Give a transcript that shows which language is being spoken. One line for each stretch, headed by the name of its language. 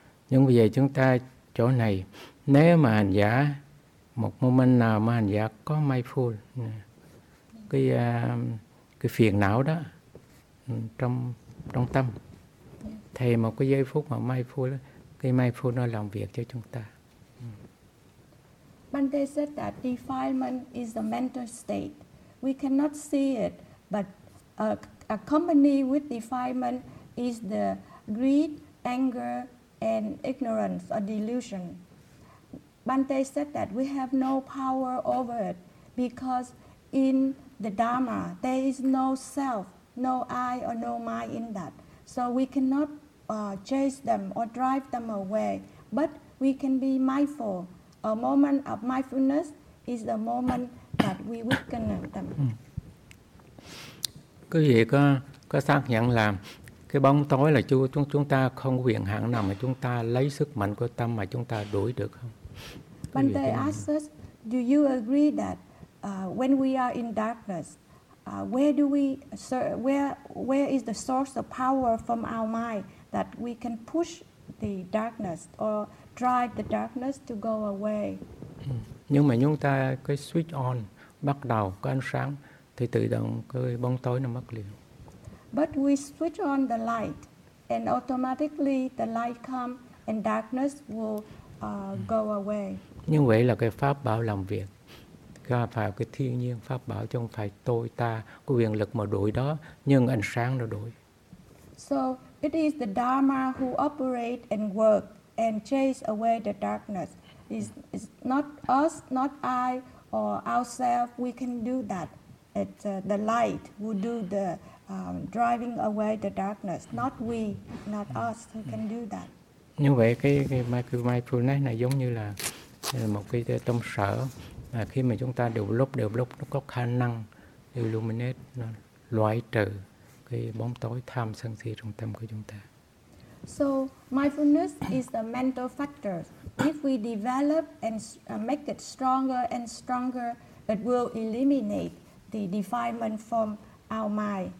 Vietnamese: Nhưng bây giờ chúng ta chỗ này, nếu mà hành giả, một moment nào mà hành giả có mindful cái phiền não đó, trong tâm. Thì một cái giây phút mà mindful, cái mindful nó làm việc cho chúng ta.
English: Bhante said that defilement is the mental state. We cannot see it, but accompanied with defilement is the greed, anger, and ignorance or delusion. Bhante said that we have no power over it because in the Dharma, there is no self, no I or no mind in that. So we cannot chase them or drive them away, but we can be mindful. A moment of mindfulness is the moment that we weaken them.
Vietnamese: Quý vị có xác nhận là cái bóng tối là chúng ta không quyền hạn nào mà chúng ta lấy sức mạnh của tâm mà chúng ta đuổi được không?
English: When they ask us, do you agree that when we are in darkness, where is the source of power from our mind that we can push the darkness or drive the darkness to go away?
Vietnamese: Nhưng mà chúng ta cái
English: switch on
Vietnamese: bắt đầu có ánh sáng thì tự động cái bóng tối nó mất liền.
English: But we switch on the light and automatically the light come and darkness will go away.
Vietnamese: Như vậy là cái pháp bảo làm việc. Cái pháp cái thiên nhiên pháp bảo chứ không phải tôi ta có quyền lực mà đuổi đó, nhưng ánh sáng nó đuổi.
English: So it is the Dharma who operate and work and chase away the darkness. It's not us, not I or ourselves, we can do that. It's the light who do the driving away the darkness, not we, not us who can do that.
Vietnamese: Như vậy cái mindfulness này giống như là một cái tâm sở mà khi mà chúng ta develop nó có khả năng illuminate, nó loại trừ cái bóng tối tham sân si trong tâm của chúng ta.
English: So mindfulness is the mental factor. If we develop and make it stronger and stronger, it will eliminate the defilement from our mind.